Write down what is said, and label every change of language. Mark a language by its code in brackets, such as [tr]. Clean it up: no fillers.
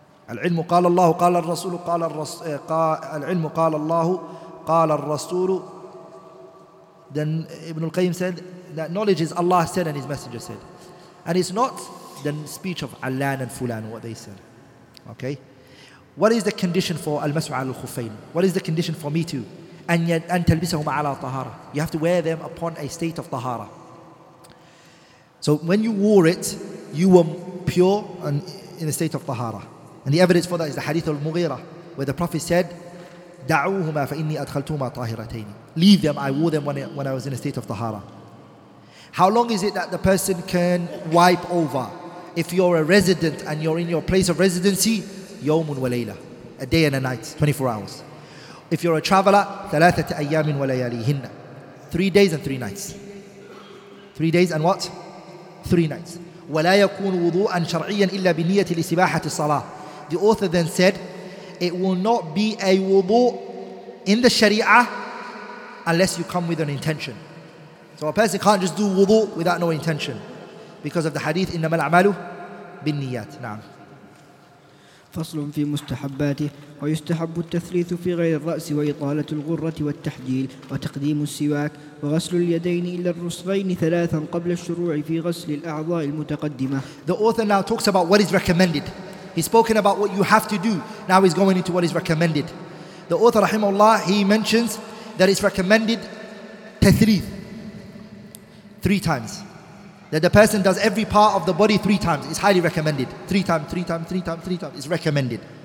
[ar] العلم قال الله قال الرسول قال العلم قال الله قال الرسول. [en] Then Ibn al-Qayyim said that knowledge is Allah said and His Messenger said. And it's not the speech of Alan and Fulan, what they said. Okay? What is the condition for al-mas'u al-khufayn? What is the condition for me to? [ar] An talbisahuma ala tahara. [en] You have to wear them upon a state of tahara. So when you wore it, you were pure and in a state of tahara. And the evidence for that is the hadith al-Mughira, where the Prophet said, [ar] da'uhuma fa inni adkhaltuma tahiratayn. [en] Leave them, I wore them when I was in a state of tahara. How long is it that the person can wipe over? If you're a resident and you're in your place of residency, [ar] يومٌ وليلة, [en] a day and a night, 24 hours. If you're a traveler, [ar] ثلاثة أيام ولياليهن, [en] 3 days and 3 nights. 3 days and what? 3 nights. [ar] ولا يكون وضوءا شرعيا إلا بنية لسباحة الصلاة. [en] The author then said, it will not be a wudu in the Sharia unless you come with an intention. So a person can't just do wudu without no intention, because of the hadith, [ar] إنما الأعمال بالنيات. نعم. فصل في مستحباته. ويستحب التثليث في غير الرأس وإطالة الغرة والتحجيل وتقديم السواك وغسل اليدين إلى الرسغين ثلاثا قبل الشروع في غسل الأعضاء المتقدمة. [en] The author now talks about what is recommended. He's spoken about what you have to do. Now he's going into what is recommended. The author, rahimahullah, he mentions that it's recommended tathlith 3 times. That the person does every part of the body 3 times. It's highly recommended. 3 times. It's recommended.